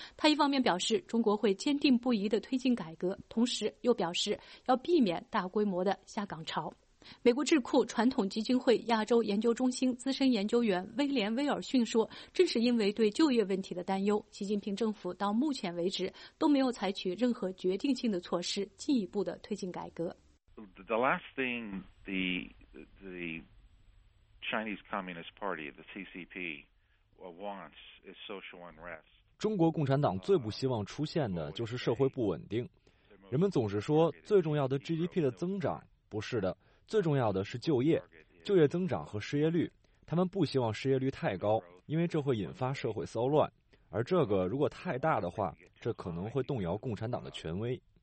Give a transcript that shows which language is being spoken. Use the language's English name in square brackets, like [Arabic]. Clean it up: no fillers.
[Chinese] 他一方面表示中国会坚定不移地推进改革，同时又表示要避免大规模的下岗潮。美国智库传统基金会亚洲研究中心资深研究员威廉·威尔逊说，正是因为对就业问题的担忧，习近平政府到目前为止都没有采取任何决定性的措施进一步的推进改革。 [English] The last thing the Chinese Communist Party, the CCP, wants is social unrest. [Chinese] 中国共产党最不希望出现的就是社会不稳定。人们总是说最重要的 GDP 的增长，不是的，最重要的是就业，就业增长和失业率。他们不希望失业率太高，因为这会引发社会骚乱，而这个如果太大的话，这可能会动摇共产党的权威。